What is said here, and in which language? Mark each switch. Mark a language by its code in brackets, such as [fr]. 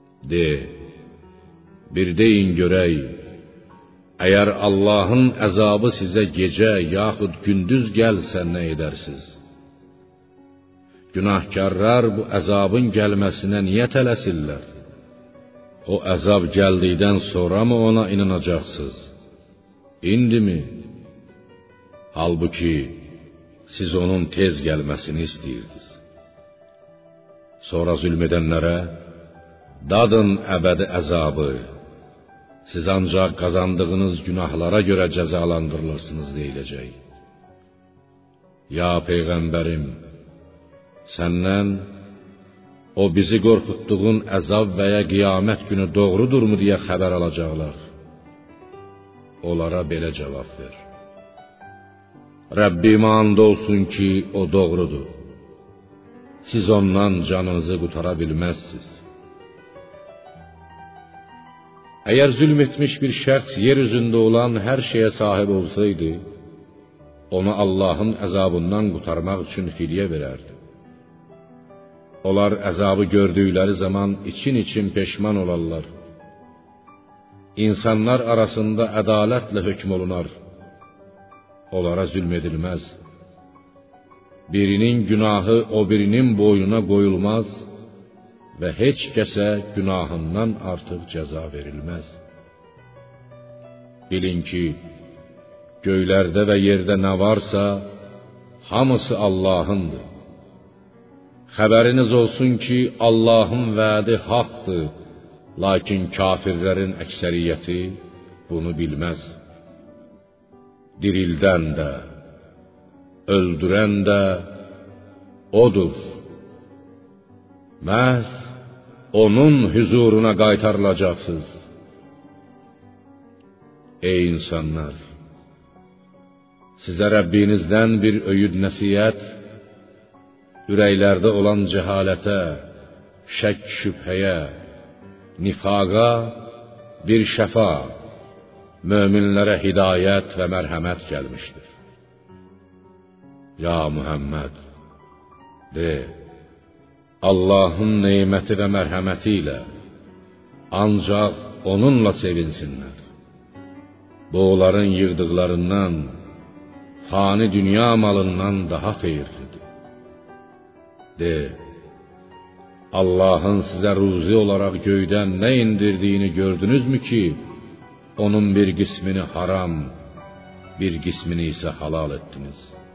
[az] De, bir deyin görək, əgər Allahın əzabı sizə gecə yaxud gündüz gəlsə nə edərsiz? Günahkarlar bu əzabın gəlməsinə niyə tələsirlər? O əzab gəldikdən sonra mı ona inanacaqsız? İndi mi? Halbuki siz onun tez gelmesini istiyirdiniz. [tr] Sonra zulmedenlere, dadın ebedi azabı, siz ancak kazandığınız günahlara göre cezalandırılırsınız deyilecek. Ya Peygamberim, senden o bizi korkuttuğun azab veya kıyamet günü doğrudur mu diye haber alacaklar. [az] Onlara belə cavab ver. Rəbbimə and olsun ki, o doğrudur. Siz ondan canınızı qutara bilməzsiniz. Əgər zülm etmiş bir şəxs yeryüzündə olan hər şeyə sahib olsaydı, onu Allahın əzabından qutarmaq üçün fidyə verərdi. Onlar əzabı gördükləri zaman için-için peşman olarlar. İnsanlar arasında ədalətlə hökm olunar. Onlara zülm edilməz. Birinin günahı o birinin boyuna qoyulmaz və heç kəsə günahından artıq cəza verilməz. Bilin ki, göylərdə və yerdə nə varsa, hamısı Allahındır. Xəbəriniz olsun ki, Allahın vədi haqdır. [tr] Lakin kafirlerin ekseriyeti bunu bilmez. Dirilden de, öldüren de odur. [az] Məhz onun huzuruna qaytarılacaqsınız. [tr] Ey insanlar, size Rabbinizden bir öğüd nasihat, yüreklerde olan cehalete, şek şüpheye, [az] nifaqa bir şəfa, möminlərə hidayət və mərhəmət gəlmişdir. Ya Muhammed, de, Allahın neyməti və mərhəməti ilə ancaq onunla sevinsinlər. Bu onların yığdıqlarından, fani dünya malından daha xeyirlidir. [tr] De, Allah'ın size ruzi olarak göğden ne indirdiğini gördünüz mü ki, onun bir kısmını haram, bir kısmını ise halal ettiniz?